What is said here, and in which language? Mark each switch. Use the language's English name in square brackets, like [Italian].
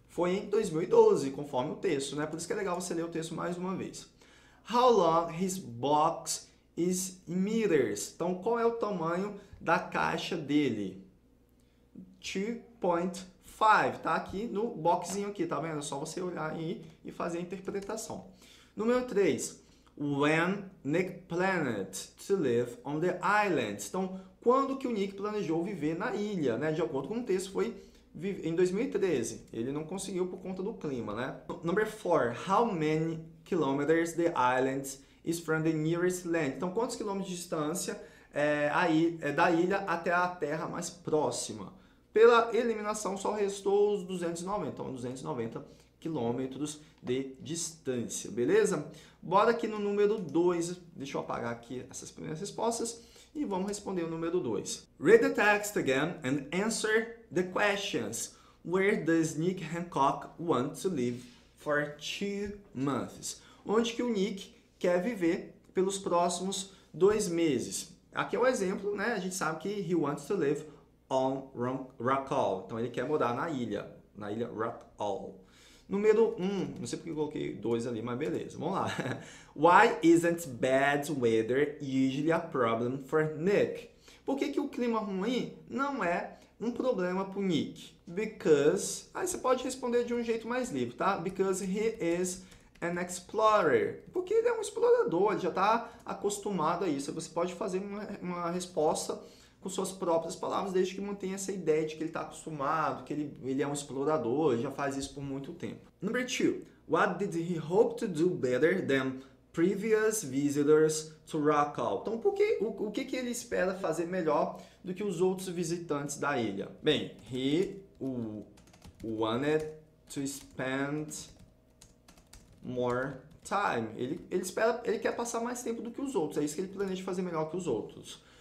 [Portuguese] Foi em 2012, conforme o texto, né? Por isso que é legal você ler o texto mais uma vez. [English] How long his box is in meters? [Portuguese] Então, qual é o tamanho da caixa dele? 2.5, tá aqui no boxinho aqui, tá vendo? É só você olhar aí e fazer a interpretação. Número 3. [English] When Nick planned to live on the island? [Portuguese] Então, quando que o Nick planejou viver na ilha, né? De acordo com o texto, foi em 2013. Ele não conseguiu por conta do clima, né? [English] Number 4. How many kilometers the island is from the nearest land? [Portuguese] Então, quantos quilômetros de distância é da ilha até a terra mais próxima? Pela eliminação, só restou os 290. Então, 290 quilômetros de distância, beleza? Bora aqui no número 2. Deixa eu apagar aqui essas primeiras respostas. E vamos responder o número 2. [English] Read the text again and answer the questions. Where does Nick Hancock want to live for 2 months? [Portuguese] Onde que o Nick quer viver pelos próximos 2 meses? Aqui é um exemplo, né? A gente sabe que [English] he wants to live on Rockall. [Portuguese] Então, ele quer morar na ilha Rockall. Número 1, não sei porque eu coloquei 2 ali, mas beleza, vamos lá. [English] Why isn't bad weather usually a problem for Nick? [Portuguese] Por que que o clima ruim não é um problema pro Nick? Because, aí você pode responder de um jeito mais livre, tá? [English] Because he is an explorer. [Portuguese] Porque ele é um explorador, ele já tá acostumado a isso. Você pode fazer uma resposta com suas próprias palavras, desde que mantenha essa ideia de que ele está acostumado, que ele é um explorador, ele já faz isso por muito tempo. [English] Number two, what did he hope to do better than previous visitors to Rockall? [Portuguese] Então, o que ele espera fazer melhor do que os outros visitantes da ilha? [English] Bem, he wanted to spend more time. [Portuguese] Ele quer passar mais tempo do que os outros. É isso que ele planeja fazer melhor que os outros.